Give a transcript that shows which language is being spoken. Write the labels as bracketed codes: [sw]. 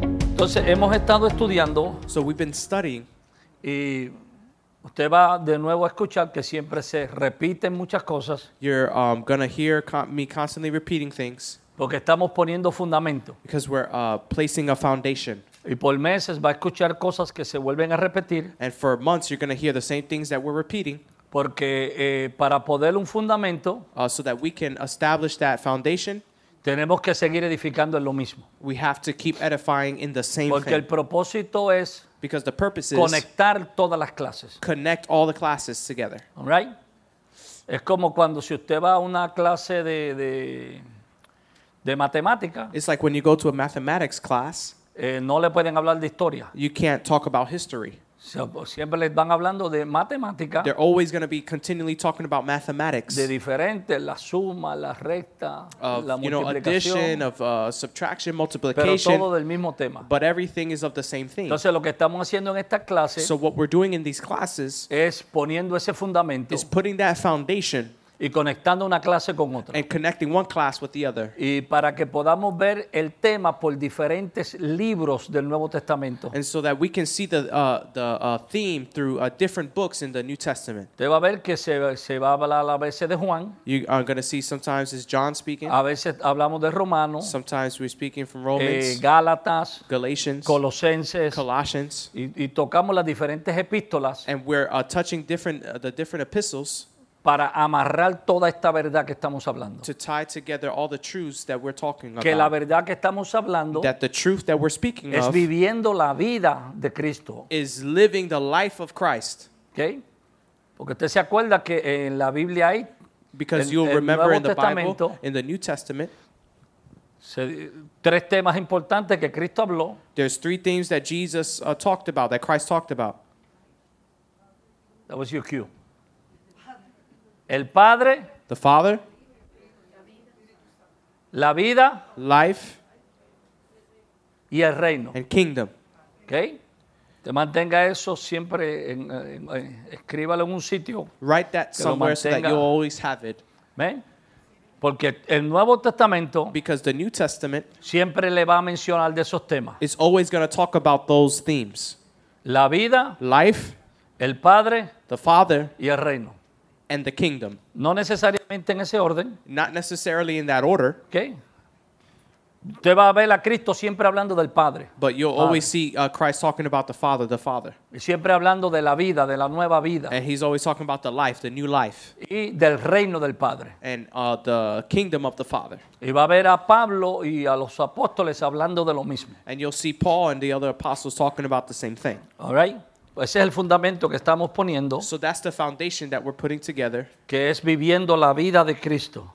[es] Entonces hemos estado estudiando. [en] So we've been studying. [es] Y usted va de nuevo a escuchar que siempre se repiten muchas cosas. [en] You're gonna hear me constantly repeating things. [es] Porque estamos poniendo fundamento. [en] Because we're placing a foundation. [es] Y por meses va a escuchar cosas que se vuelven a repetir. [en] And for months you're gonna hear the same things that we're repeating. [es] Porque para poder un fundamento, [en] so that we can establish that foundation, [es] tenemos que seguir edificando en lo mismo. [en] We have to keep edifying in the same [es] porque [en] thing. [es] El propósito es, [en] because the purpose is [es] conectar todas las clases. [en] Connect all the classes together. All right? [es] Es como cuando si usted va a una clase de matemática, [en] it's like when you go to a mathematics class, [es] no le pueden hablar de historia. [en] You can't talk about history. [es] Siempre les van hablando de matemática. [en] They're always going to be continually talking about mathematics. [es] De diferentes, la suma, la recta, [en] of, [es] la multiplicación. [en] Addition, of subtraction, multiplication. [es] Pero todo del mismo tema. [en] But everything is of the same thing. [es] Entonces lo que estamos haciendo en esta clase. [en] So what we're doing in these classes. [es] Es poniendo ese fundamento. [en] Is putting that foundation. [es] Y conectando una clase con otra. [en] And connecting one class with the other. [es] Y para que podamos ver el tema por diferentes libros del Nuevo Testamento. [en] And so that we can see the theme through different books in the New Testament. [es] Te va a ver que se va a hablar a veces de Juan. [en] You are going to see sometimes it's John speaking. [es] A veces hablamos de Romanos. [en] Sometimes we're speaking from Romans. [es] Gálatas. [en] Galatians. [es] Colosenses. [en] Colossians. [es] Y tocamos las diferentes epístolas. [en] And we're touching different the different epistles. [es] Para amarrar toda esta verdad que estamos hablando. [en] To tie together all the truths that we're talking about. [es] Que la verdad que estamos hablando. [en] That the truth that we're speaking [es] es [en] of. [es] Es viviendo la vida de Cristo. [en] Is living the life of Christ. Okay. [es] Porque usted se acuerda que en la Biblia hay. [en] Because you'll remember in the Testamento, Bible. In the New Testament. [es] Tres temas importantes que Cristo habló. [en] There's three themes that Jesus talked about. That Christ talked about. That was your cue. [es] El Padre, [en] the Father, [es] la vida, [en] life, [es] y el reino, [en] and kingdom. Okay? [es] Te mantenga eso siempre, escríbalo en un sitio. [en] Write that somewhere so that you always have it. [es] Amen. Porque el Nuevo Testamento, [en] because the New Testament, [es] siempre le va a mencionar de esos temas. [en] It's always going to talk about those themes. [es] La vida, [en] life, [es] el Padre, [en] the Father, [es] y el reino. [en] And the kingdom. [es] No necesariamente en ese orden. [en] Not necessarily in that order. Okay. [es] Usted va a ver a Cristo siempre hablando del Padre. [en] But you'll always see Christ talking about the Father, the Father. [es] Y siempre hablando de la vida, de la nueva vida. [en] And he's always talking about the life, the new life. [es] Y del reino del Padre. [en] And the kingdom of the Father. [es] Y va a ver a Pablo y a los apóstoles hablando de lo mismo. [en] And you'll see Paul and the other apostles talking about the same thing. All right. [es] Ese es el fundamento que estamos poniendo. [en] So that's the foundation that we're putting together. [es] Que es viviendo la vida de Cristo.